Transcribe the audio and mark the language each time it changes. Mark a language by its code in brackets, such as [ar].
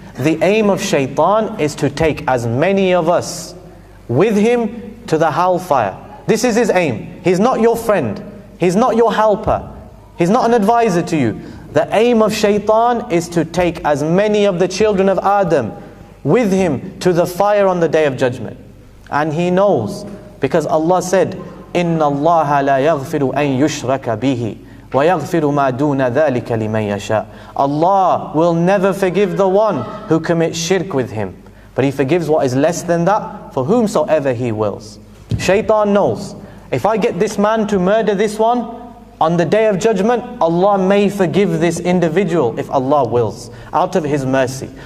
[en] The aim of shaitan is to take as many of us with him to the hellfire. This is his aim. He's not your friend. He's not your helper. He's not an advisor to you. The aim of shaitan is to take as many of the children of Adam with him to the fire on the day of judgment. And he knows, because Allah said, [ar] إِنَّ اللَّهَ لَا يَغْفِرُ أَن يُشْرَكَ بِهِ وَيَغْفِرُ مَا دُونَ ذَٰلِكَ لِمَن يَشَاءُ. [en] Allah will never forgive the one who commits shirk with him, but he forgives what is less than that for whomsoever he wills. Shaitan knows, if I get this man to murder this one, on the day of judgment, Allah may forgive this individual if Allah wills, out of his mercy.